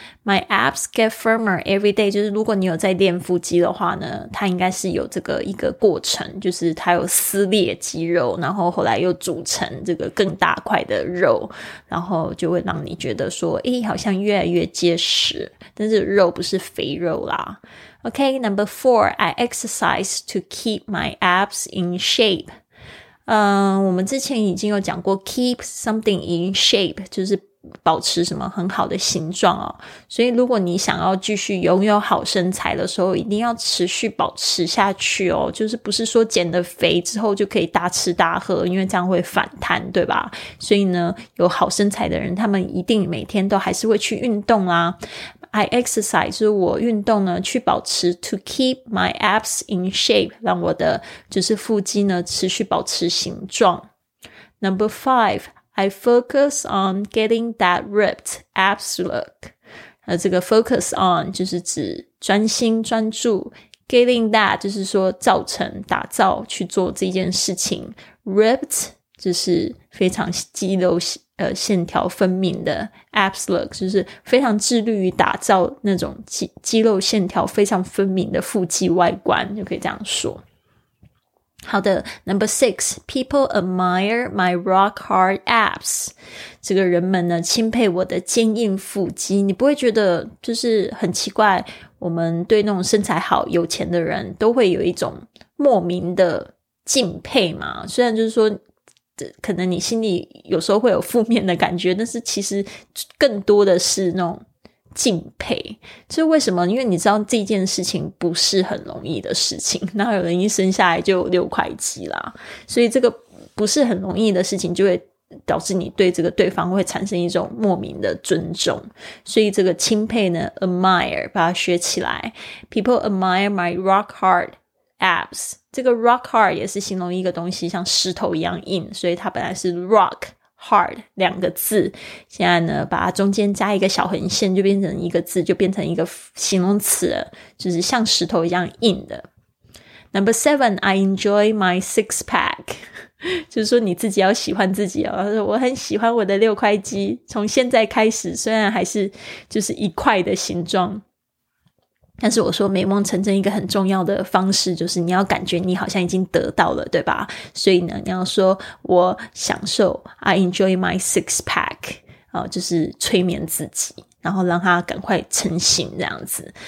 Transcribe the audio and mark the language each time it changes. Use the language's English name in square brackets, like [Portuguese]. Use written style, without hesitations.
[English] My abs get firmer every day， [Chinese] 就是如果你有在练腹肌的话呢，它应该是有这个一个过程，就是它有撕裂肌肉，然后后来又组成这个更大块的肉，然后就会让你觉得说诶好像越来越结实，但是肉不是肥肉啦。 [English] OK， number four， I exercise to keep my abs in shape。 [Chinese] 我们之前已经有讲过 keep something in shape， 就是保持什么很好的形状哦。所以如果你想要继续拥有好身材的时候，一定要持续保持下去哦。就是不是说减了肥之后就可以大吃大喝，因为这样会反弹，对吧？所以呢，有好身材的人，他们一定每天都还是会去运动啦。 [English] I exercise， [Chinese] 就是我运动呢去保持 [English] to keep my abs in shape， [Chinese] 让我的就是腹肌呢持续保持形状。 [English] Number five， I focus on getting that ripped abs look。 [Chinese] 那这个 focus on 就是指专心专注， getting that 就是说造成打造去做这件事情， ripped 就是非常肌肉线条分明的 abs look， 就是非常致力于打造那种 肌肉线条非常分明的腹肌外观，就可以这样说。好的， [English] number six， people admire my rock hard abs， [Chinese] 这个人们呢钦佩我的坚硬腹肌。你不会觉得就是很奇怪，我们对那种身材好有钱的人都会有一种莫名的敬佩吗？虽然就是说可能你心里有时候会有负面的感觉，但是其实更多的是那种敬佩。这是为什么？因为你知道这件事情不是很容易的事情，那有人一生下来就有六块肌啦，所以这个不是很容易的事情就会导致你对这个对方会产生一种莫名的尊重。所以这个钦佩呢 admire， 把它学起来， [English] people admire my rock hard abs。 [Chinese] 这个 rock hard 也是形容一个东西像石头一样硬，所以它本来是 rock hard 两个字，现在呢把它中间加一个小横线就变成一个字，就变成一个形容词了，就是像石头一样硬的。 [English] Number seven， I enjoy my six pack， [Chinese] 就是说你自己要喜欢自己哦。我很喜欢我的六块肌，从现在开始虽然还是就是一块的形状，但是我说美梦成真一个很重要的方式就是你要感觉你好像已经得到了，对吧？所以呢你要说我享受 [English] I enjoy my six pack、 [Chinese] 就是催眠自己然后让它赶快成型这样子。